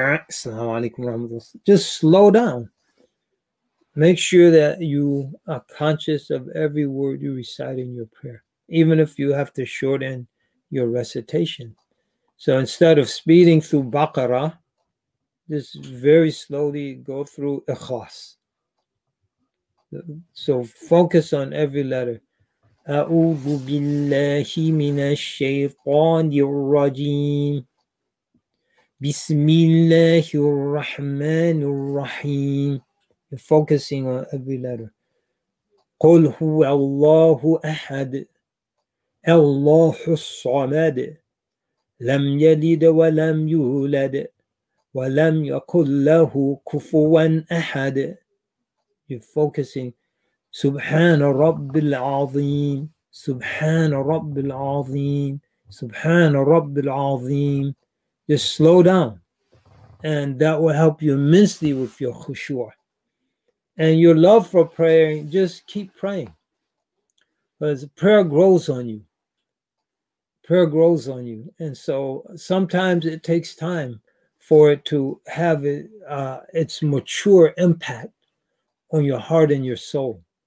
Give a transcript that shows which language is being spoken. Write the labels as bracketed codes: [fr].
[en] Assalamu alaikum warahmatullahi. Just slow down. Make sure that you are conscious of every word you recite in your prayer, even if you have to shorten your recitation. So instead of speeding through Baqarah, just very slowly go through Ikhlas. So focus on every letter. [ar] أعوذ بالله من الشيطان الرجيم بسم الله الرحمن الرحيم. [en] You're focusing on every letter. [ar] قل هو الله أحد الله الصمد لم يلد ولم يولد ولم يكن له كفوا أحد. [en] You're focusing. [ar] سبحان رب العظيم سبحان رب العظيم سبحان رب العظيم. [en] Just slow down, and that will help you immensely with your khushu' and your love for praying. Just keep praying, because prayer grows on you. Prayer grows on you, and so sometimes it takes time for it to have its mature impact on your heart and your soul.